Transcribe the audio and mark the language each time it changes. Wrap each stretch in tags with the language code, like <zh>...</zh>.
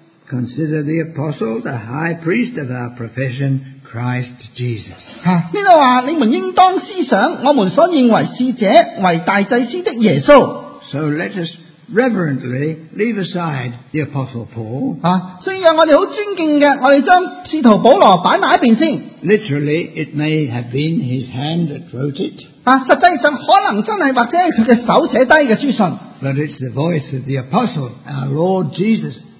<en>Consider the apostle, the high priest of our profession, Christ Jesus.</en> <zh>这里说,你们应当思想,我们所认为使者,为大祭司的耶稣。</zh> <en>So let us reverently leave aside the apostle Paul.</en> <zh>所以我们很尊敬的,我们将使徒保罗摆在一边先。</zh> <en>Literally, it may have been his hand that wrote it.</en> <zh>实际上,可能真的或者是他的手写下的书信。</zh> <en>But it's the voice of the apostle, our Lord Jesus.</en>